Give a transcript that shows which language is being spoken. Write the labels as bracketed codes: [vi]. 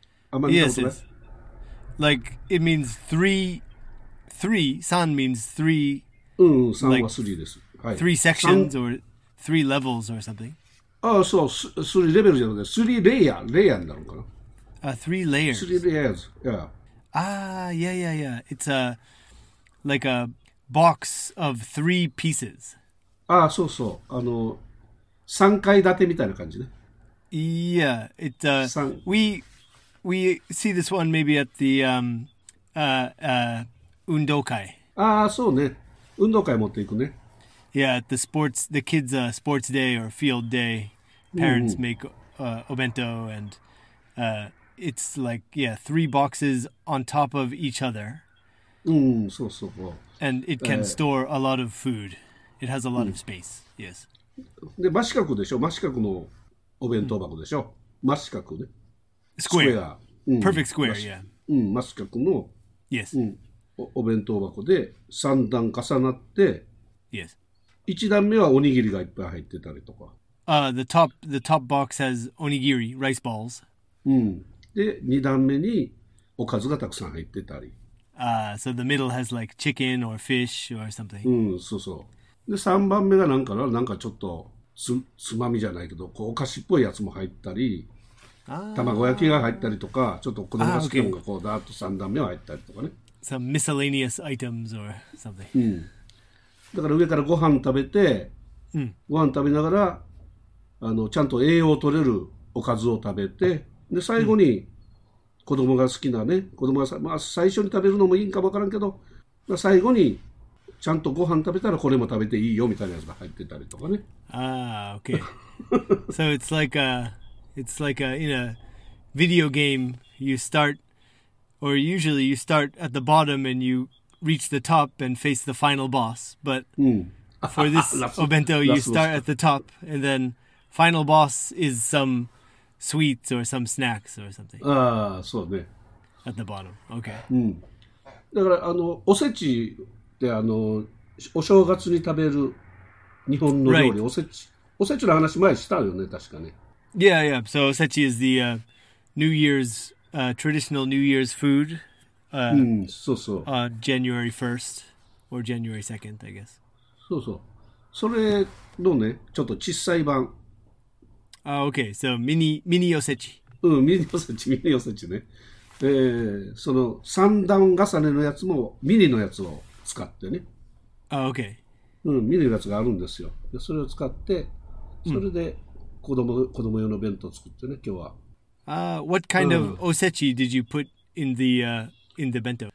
[ja] あんまり見たことない。 [en] Like, it means three, 三 means three. [ja] 三は三です。 [en] Three sections or three levels or something? そう、三レベルじゃなくて、三レイヤー、レイヤーになるのかな。 Three layers. Three layers, yeah. Yeah. It's a like a box of three pieces. [ja] そうそう。 3階建てみたいな感じね。 [en] Yeah, it's a... We see this one maybe at the 運動会。 [ja] ああ、そうね。運動会持っていくね。 [en] Yeah, at the sports, the kids' sports day or field day, parents make obento and it's like, yeah, three boxes on top of each other. [ja] そうそう。 [en] And it can store a lot of food. It has a lot of space, yes. [ja] で、真四角でしょ。真四角のお弁当箱でしょ。真四角ね。 [en] Square. Perfect square, yeah. [ja] 真四角の [en] yes. [ja] お弁当箱で三段重なって [en] yes. [ja] 一段目はおにぎりがいっぱい入ってたりとか。 [en] The top box has onigiri, rice balls. [ja] で、二段目におかずがたくさん入ってたり。 [en] So the middle has like chicken or fish or something. [ja] そうそう。で、三番目がなんかな、なんかちょっとつまみじゃないけど、こうお菓子っぽいやつも入ったり、卵焼きが入ったりとか、ちょっと子供が好きなのがこうだっと三段目は入ったりとかね。 [en] Some miscellaneous items or something. [ja] だから上からご飯食べて、ご飯食べながら、ちゃんと栄養を取れるおかずを食べて、で、最後に、子供が好きなね、子供がさ、まあ、最初に食べるのもいいんか分からんけど、まあ、最後にちゃんとご飯食べたらこれも食べていいよみたいなやつが入ってたりとかね。 [en] Okay. So it's like a, in a video game, you start, or usually you start at the bottom and you reach the top and face the final boss, but for this obento, you start at the top and then final boss is somesweets or some snacks or something. [ja] そうね。 [en] At the bottom. Okay. [ja] だから、おせちって、お正月に食べる日本の料理、 [en] right. [ja] おせちの話前したよね、確かね。 [en] Yeah, yeah. So, osechi is the New Year's, traditional New Year's food. [ja] そうそう。 [en] January 1st or January 2nd, I guess. [ja] そうそう。それのね、ちょっと小さい版。 [en] Okay, so mini osechi. Mini osechi, mini osechi, ね。 [ja] その三段重ねのやつもミニのやつを使ってね。 [en] Okay. [ja] ミニのやつがあるんですよ。で、それを使って、それで子供用の弁当を作ってね、今日は。 [en] What kind of osechi did you put in the bento?